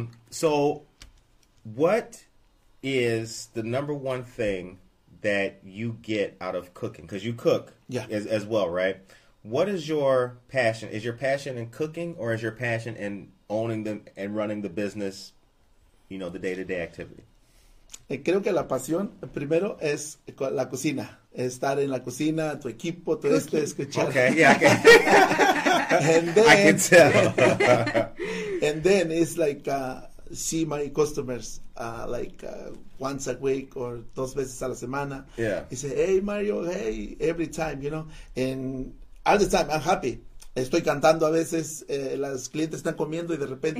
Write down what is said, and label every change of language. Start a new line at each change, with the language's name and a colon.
English: So what is the number one thing that you get out of cooking? Because you cook as well, right? What is your passion? Is your passion in cooking or is your passion in owning them and running the business, you know, the day-to-day activity?
Spanish: Creo que la pasión primero es la cocina, estar en la cocina, tu equipo, todo esto, escuchar.
English: Okay, yeah, okay. And then, I can tell. And then it's like see my customers like once a week or
Spanish: dos veces a la semana.
English: Yeah. Y say, hey Mario, hey, every time, you know, and all the time I'm happy.
Spanish: Estoy cantando a veces, las clientes están comiendo y de repente...